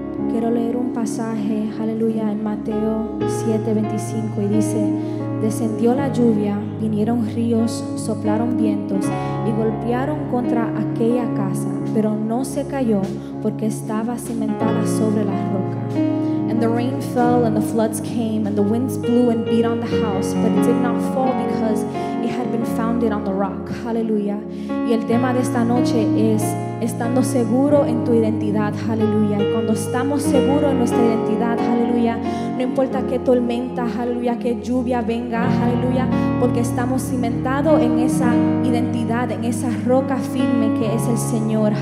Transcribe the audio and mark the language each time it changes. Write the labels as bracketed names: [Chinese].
[Spanish] Quiero leer un pasaje, aleluya, en Mateo 7:25, y dice: descendió la lluvia, vinieron ríos, soplaron vientos y golpearon contra aquella casa, pero no se cayó porque estaba cimentada sobre la roca. [English] And the rain fell and the floods came and the winds blew and beat on the house, but it did not fall because it had been founded on the rock. [Spanish] Aleluya. Y el tema de esta noche es estando seguro en tu identidad. Aleluya. Y cuando estamos seguros en nuestra identidad, aleluya, no importa qué tormenta, aleluya, qué lluvia venga, aleluya, porque estamos cimentados en esa identidad, en esa roca firme que es el Señor.